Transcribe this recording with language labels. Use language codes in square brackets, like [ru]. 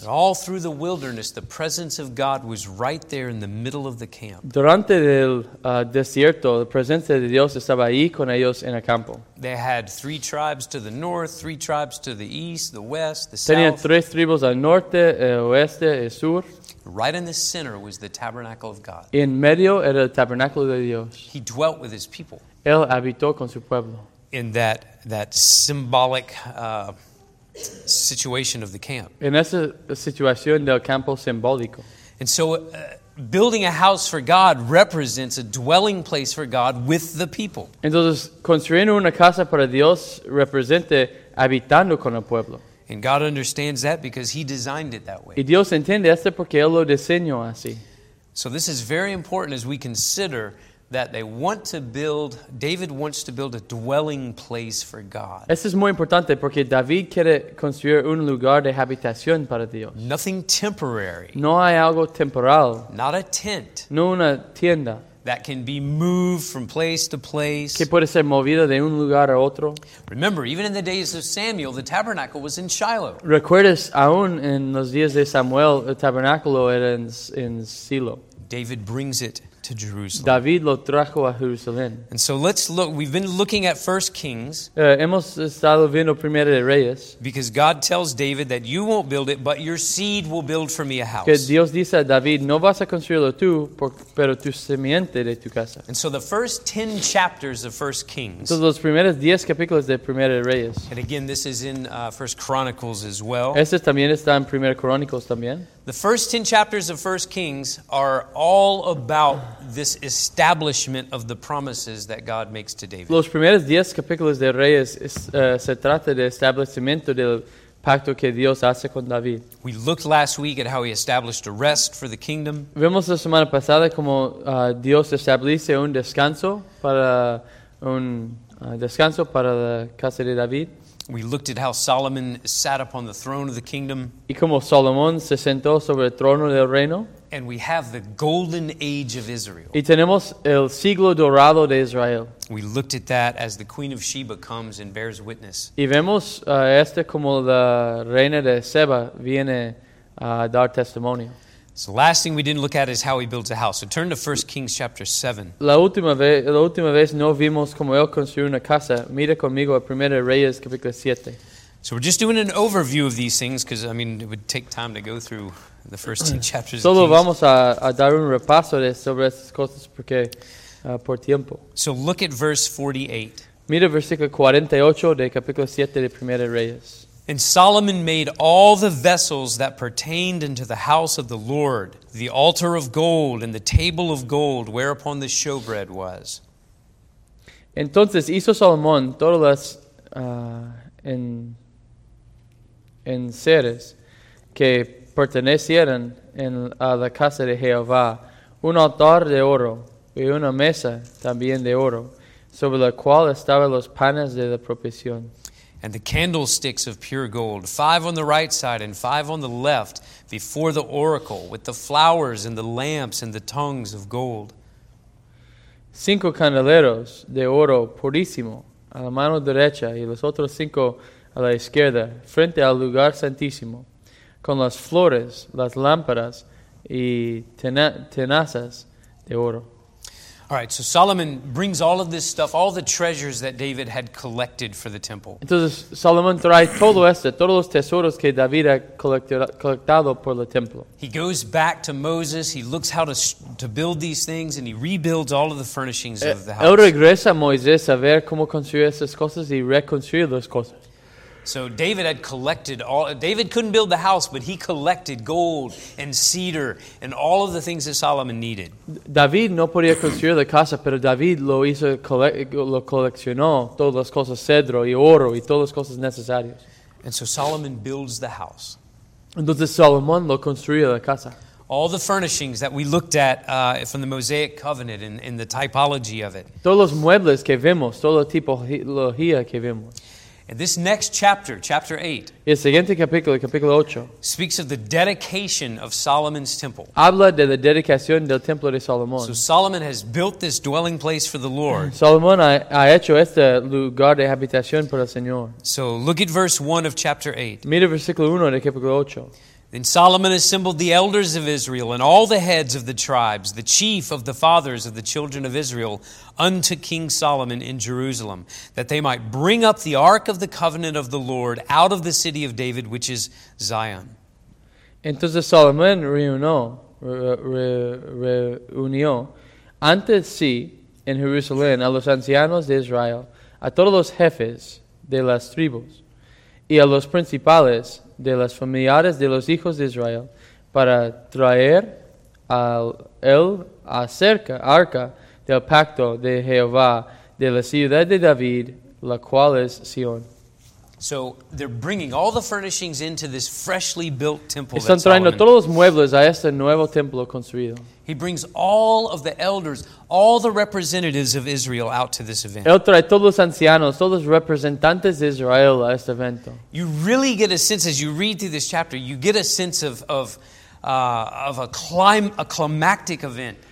[en] And all through the wilderness, the presence of God was right there in the middle of the camp. [es] Durante el desierto, la presencia de Dios estaba ahí con ellos en el campo. [en] They had three tribes to the north, three tribes to the east, the west, the [es] Tenían [en] south. [es] Tres tribus al norte, el oeste, el sur. [en] Right in the center was the tabernacle of God. [es] En medio era el tabernáculo de Dios. [en] He dwelt with his people. [es] Él habitó con su pueblo. [en] In that symbolic situation of the camp. [es] En esa situación del campo simbólico. [en] And so building a house for God represents a dwelling place for God with the people. [es] Entonces, construyendo una casa para Dios representa habitando con el pueblo. [en] And God understands that because he designed it that way. [es] Y Dios entiende esto porque él lo diseñó así. [en] So this is very important as we consider that they want to build, David wants to build a dwelling place for God. [es] Esto es muy importante porque David quiere construir un lugar de habitación para Dios. [en] Nothing temporary. [es] No hay algo temporal. [en] Not a tent. [es] No una tienda. [en] That can be moved from place to place. [es] Que puede ser movido de un lugar a otro. [en] Remember, even in the days of Samuel, the tabernacle was in Shiloh. [es] Recuerdas aún en los días de Samuel, el tabernáculo era en Silo. [en] David brings it to Jerusalem. [es] David lo trajo a Jerusalén. [en] And so let's look. We've been looking at 1 Kings. [es] Hemos estado viendo Primera de Reyes. [en] Because God tells David that you won't build it, but your seed will build for me a house. [es] Que Dios dice a David, no vas a construirlo tú, pero tu simiente de tu casa. [en] And so the first 10 chapters of 1 Kings. [es] Entonces los primeros 10 capítulos de Primera de Reyes. [en] And again, this is in 1 Chronicles as well. [es] Este también está en Primera Chronicles también. [en] The first 10 chapters of 1 Kings are all about this establishment of the promises that God makes to David. [es] Los primeros 10 capítulos de Reyes se trata de establecimiento del pacto que Dios hace con David. [en] We looked last week at how he established a rest for the kingdom. [es] Vimos la semana pasada como Dios establece un descanso para la casa de David. [en] We looked at how Solomon sat upon the throne of the kingdom. [es] Y como Salomón se sentó sobre el trono del reino. [en] And we have the golden age of Israel. [es] Y tenemos el siglo dorado de Israel. [en] We looked at that as the queen of Sheba comes and bears witness. [es] Y vemos este como la reina de Seba viene a dar testimonio. [en] So last thing we didn't look at is how he builds a house. So turn to 1 Kings chapter 7. [es] La última vez no vimos cómo él construyó una casa. Mira conmigo a Primera Reyes capítulo 7. [en] So we're just doing an overview of these things because, I mean, it would take time to go through the first 10 chapters [es] Solo [en] of Kings. [es] Solo vamos a dar un repaso sobre estas cosas porque por tiempo. [en] So look at verse 48. [es] Mira versículo 48 de capítulo 7 de Primera Reyes. [en] And Solomon made all the vessels that pertained unto the house of the Lord, the altar of gold and the table of gold whereupon the showbread was. [es] Entonces hizo Salomón todas las enseres que pertenecieran a la casa de Jehová, un altar de oro y una mesa también de oro, sobre la cual estaban los panes de la propiciación. [en] And the candlesticks of pure gold, 5 on the right side and 5 on the left, before the oracle, with the flowers and the lamps and the tongues of gold. [es] 5 candeleros de oro purísimo, a la mano derecha, y los otros 5 a la izquierda, frente al lugar santísimo, con las flores, las lámparas, y tenazas de oro. [en] All right, so Solomon brings all of this stuff, all the treasures that David had collected for the temple. [es] Entonces, Solomon trae todo esto, todos los tesoros que David ha colectado por el templo. [en] He goes back to Moses, he looks how to build these things, and he rebuilds all of the furnishings of the house. [es] Él regresa a Moisés a ver cómo construir esas cosas y reconstruir las cosas. [en] So David had collected all. David couldn't build the house, but he collected gold and cedar and all of the things that Solomon needed. [es] David no podía construir la casa, pero David lo hizo lo coleccionó todas las cosas cedro y oro y todas las cosas necesarias. [en] And so Solomon builds the house. [es] Entonces Salomón lo construyó la casa. [en] All the furnishings that we looked at from the Mosaic Covenant and the typology of it. [es] Todos los muebles que vimos, toda la tipología que vimos. [en] This next chapter, chapter 8, [es] el siguiente capítulo, el capítulo 8, [en] speaks of the dedication of Solomon's temple. [es] Habla de la dedicación del templo de Salomón. [en] So Solomon has built this dwelling place for the Lord. [es] Salomón ha hecho este lugar de habitación para el Señor. [en] So look at verse 1 of chapter 8. [es] Mira versículo 1 del capítulo 8. [en] Then Solomon assembled the elders of Israel and all the heads of the tribes, the chief of the fathers of the children of Israel, unto King Solomon in Jerusalem, that they might bring up the ark of the covenant of the Lord out of the city of David, which is Zion. [es] Entonces Solomon reunió ante sí en Jerusalén a los ancianos de Israel, a todos los jefes de las tribus, y a los principales de las familiares de los hijos de Israel, para traer al él acerca arca del pacto de Jehová de la ciudad de David, la cual es Sion. [en] So they're bringing all the furnishings into this freshly built temple. [es] Están trayendo todos los muebles a este nuevo templo construido. [en] He brings all of the elders, all the representatives of Israel out to this event. [es] Él trae todos los ancianos, todos los representantes de Israel a este evento. [en] You really get a sense, as you read through this chapter, you get a sense of a climactic event.